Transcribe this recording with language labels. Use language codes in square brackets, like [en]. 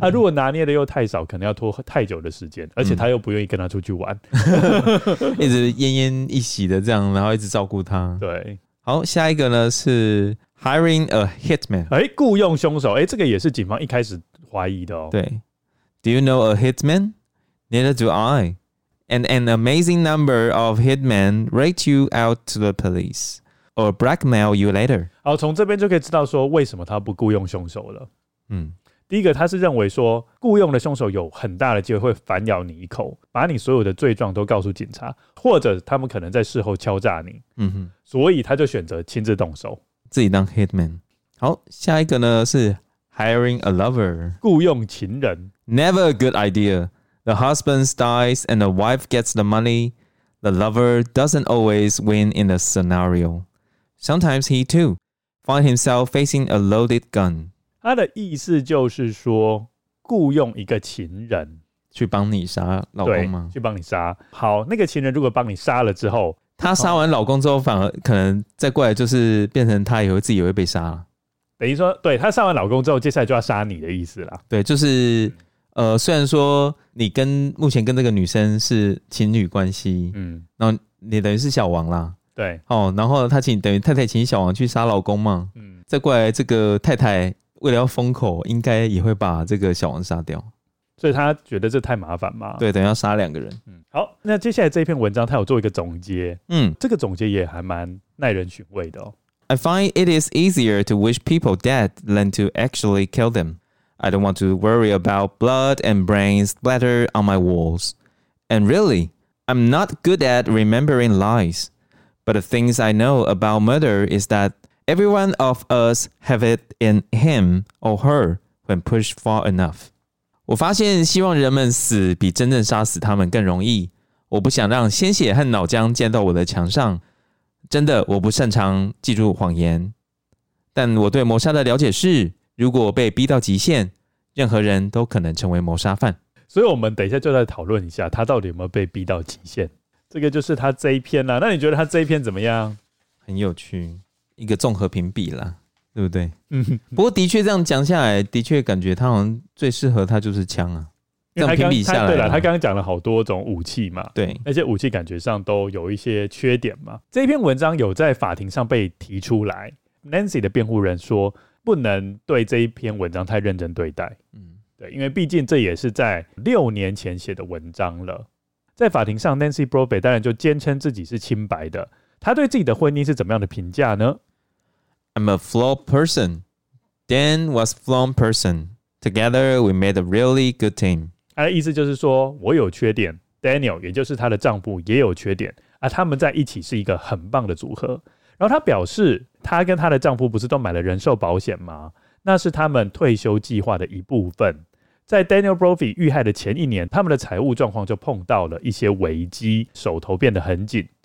[zh] 如果拿捏的又太少可能要拖太久的时间，而且他又不愿意跟他出去玩、一直奄奄一息的这样，然后一直照顾他。对，好，下一个呢是 [en] hiring a hitman、 [zh] 雇用凶手、这个也是警方一开始怀疑的哦。 [en] 对， Do you know a hitman? Neither do I. And an amazing number of hitmen rate you out to the police or blackmail you later. [zh] 好，从这边就可以知道说为什么他不雇用凶手了。第一个他是认为说雇用的凶手有很大的机会会反咬你一口，把你所有的罪状都告诉警察，或者他们可能在事后敲诈你。所以他就选择亲自动手，自己当 hitman。好，下一个呢是 [en] hiring a lover， [zh] 雇用情人。 [en] Never a good idea. The husband dies and the wife gets the money. The lover doesn't always win in the scenario. Sometimes he too finds himself facing a loaded gun. [zh] 他的意思就是说雇用一个情人去帮你杀老公吗？对，去帮你杀。好，那个情人如果帮你杀了之后，他杀完老公之后反而可能再过来就是变成他以为自己也会被杀了，等于说对，他杀完老公之后接下来就要杀你的意思啦。对，就是虽然说你跟目前跟这个女生是情侣关系，然后你等于是小王啦。对、然后他请等于太太请小王去杀老公嘛，再过来这个太太为了要封口应该也会把这个小王杀掉，所以他觉得这太麻烦嘛。对，等于要杀两个人。好，那接下来这一篇文章他有做一个总结。这个总结也还蛮耐人寻味的哦。 [en] I find it is easier to wish people dead than to actually kill themI don't want to worry about blood and brain splatter on my walls. And really, I'm not good at remembering lies. But the things I know about murder is that every one of us have it in him or her when pushed far enough. [zh] 我发现希望人们死比真正杀死他们更容易。我不想让鲜血和脑浆溅到我的墙上。真的，我不擅长记住谎言。但我对谋杀的了解是如果被逼到极限，任何人都可能成为谋杀犯。所以我们等一下就来讨论一下他到底有没有被逼到极限。这个就是他这一篇啦。那你觉得他这一篇怎么样？很有趣，一个综合评比啦，对不对？不过的确这样讲下来的确感觉他好像最适合他就是枪啊，这样评比下来。对啦，他刚刚讲了好多种武器嘛，对，那些武器感觉上都有一些缺点嘛。这篇文章有在法庭上被提出来， Nancy 的辩护人说不能对这一篇文章太认真对待。对，因为毕竟这也是在六年前写的文章了。在法庭上 Nancy Brophy 当然就坚称自己是清白的，他对自己的婚姻是怎么样的评价呢？ [en] I'm a flawed person. Dan was a flawed person. Together we made a really good team. [zh] 他的意思就是说我有缺点， Daniel 也就是他的丈夫也有缺点，他们在一起是一个很棒的组合。然后他表示他跟他的丈夫不是都买了人寿保险吗？那是他们退休计划的一部分。在 Daniel Brophy 遇害的前一年，他们的财务状况就碰到了一些危机，手头变得很紧。